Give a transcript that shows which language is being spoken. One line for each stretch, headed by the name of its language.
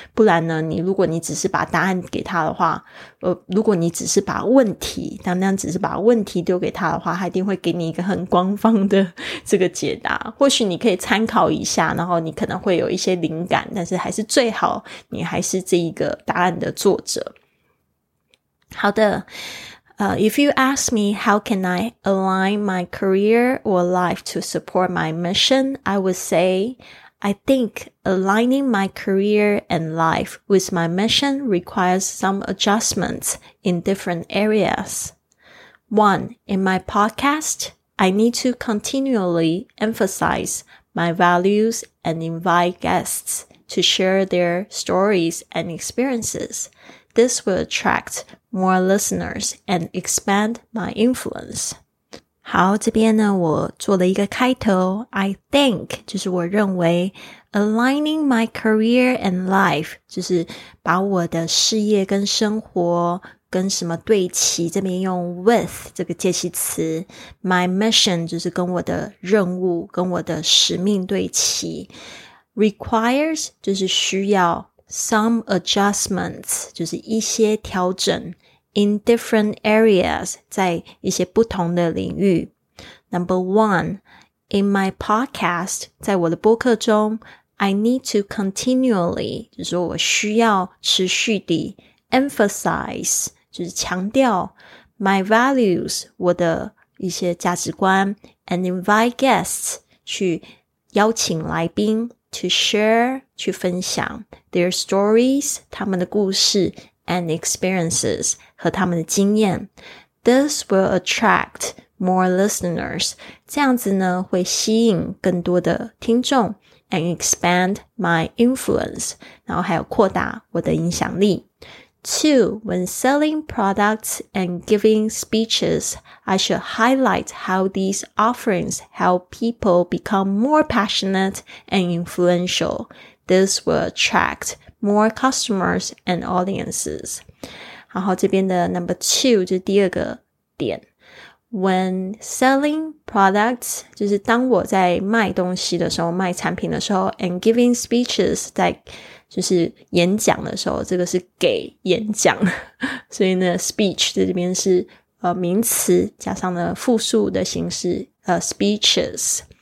Chinese: 不然呢你如果你只是把答案给他的话，如果你只是把问题单单只是把问题丢给他的话，他一定会给你一个很官方的这个解答。或许你可以参考一下，然后你可能会有一些灵感，但是还是最好你还是这一个答案的作者。好的，
English: If you ask me how can I align my career or life to support my mission, I would say, I think aligning my career and life with my mission requires some adjustments in different areas. One, in my podcast, I need to continually emphasize my values and invite guests to share their stories and experiences. This will attract more listeners and expand my influence.
Chinese: 好，这边呢我做了一个开头，
English: I think
Chinese: 就是我认为
English: aligning my career and life
Chinese: 就是把我的事业跟生活跟什么对齐，这边用 with 这个介系词，
English: my mission
Chinese: 就是跟我的任务跟我的使命对齐，
English: requires
Chinese: 就是需要
English: Some adjustments,
Chinese: 就是一些调整
English: in different areas,
Chinese: 在一些不同的领域。
English: Number one, in my podcast,
Chinese: 在我的播客中
English: I need to continually,
Chinese: 就是我需要持续地
English: emphasize,
Chinese: 就是强调
English: my values,
Chinese: 我的一些价值观
English: and invite guests,
Chinese: 去邀请来宾
English: To share,
Chinese: 去分享
English: their stories,
Chinese: 他们的故事
English: and experiences,
Chinese: 和他们的经验。
English: This will attract more listeners.
Chinese: 这样子呢会吸引更多的听众
English: and expand my influence.
Chinese: 然后还有扩大我的影响力。
English: Two, when selling products and giving speeches, I should highlight how these offerings help people become more passionate and influential. This will attract more customers and audiences.
Chinese: 然后这边的
English: number two,
Chinese: 就是第二个点。
English: When selling products,
Chinese: 就是当我在卖东西的时候，卖产品的时候
English: and giving speeches,
Chinese: 在就是演讲的时候，这个是给演讲，所以呢 speech 在这边是名词加上了复数的形式speeches.